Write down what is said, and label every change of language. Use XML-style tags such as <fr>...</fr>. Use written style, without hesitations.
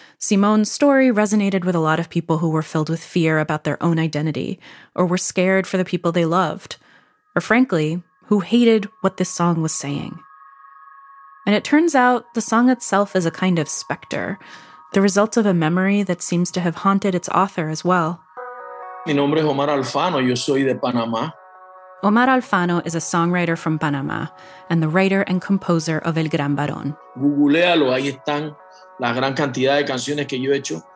<en>Simón's story resonated with a lot of people who were filled with fear about their own identity, or were scared for the people they loved, or frankly, who hated what this song was saying. And it turns out the song itself is a kind of specter, the result of a memory that seems to have haunted its author as well.</en> <es>Mi nombre es Omar Alfano, yo soy de Panamá.</es> <en>Omar Alfano is a songwriter from Panama and the writer and composer of El Gran Barón.</en> <es>Googlealo, ahí están la gran cantidad de canciones que yo he hecho.</es>